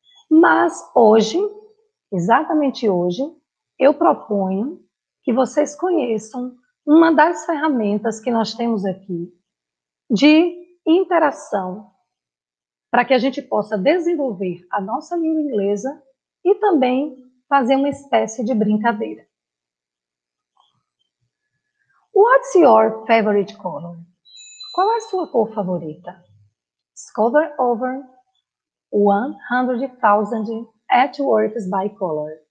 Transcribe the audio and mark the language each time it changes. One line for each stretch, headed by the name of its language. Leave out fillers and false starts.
Portuguese: Mas hoje, exatamente hoje, eu proponho que vocês conheçam uma das ferramentas que nós temos aqui de interação, para que a gente possa desenvolver a nossa língua inglesa e também fazer uma espécie de brincadeira.
English: What's your favorite color?
Portuguese: Qual é a sua cor favorita?
English: Discover over 100,000 artworks by color.